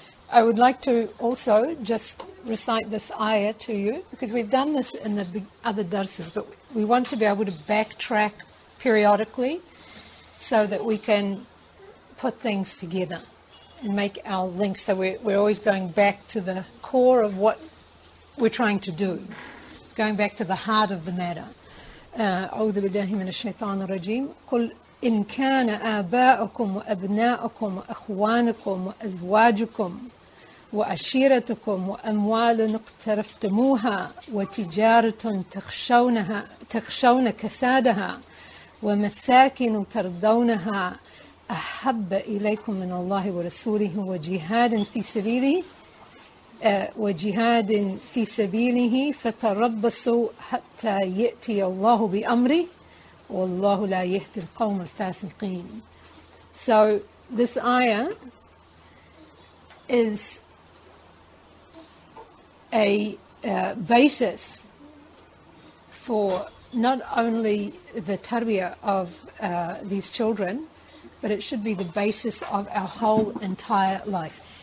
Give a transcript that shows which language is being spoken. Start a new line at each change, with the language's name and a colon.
English: I would like to also just recite this ayah to you because we've done this in the other darses, but we want to be able to backtrack periodically so that we can put things together and make our links. So we're always going back to the core of what we're trying to do, going back to the heart of the matter.
Arabic: أعوذ بالله من الشيطان الرجيم قل إن كان آباؤكم وأبناؤكم وأخوانكم وأزواجكم وعشيرتكم وأموال اقترفتموها وتجارة تخشون كسادها ومساكن ترضونها أحب إليكم من الله ورسوله وجهاد في سبيله وجهاد في سبيله فتربصوا حتى يأتي الله بأمره والله لا يهدي القوم الفاسقين.
English: So this ayah is a basis for not only the tarbiyah of these children, but it should be the basis of our whole entire life.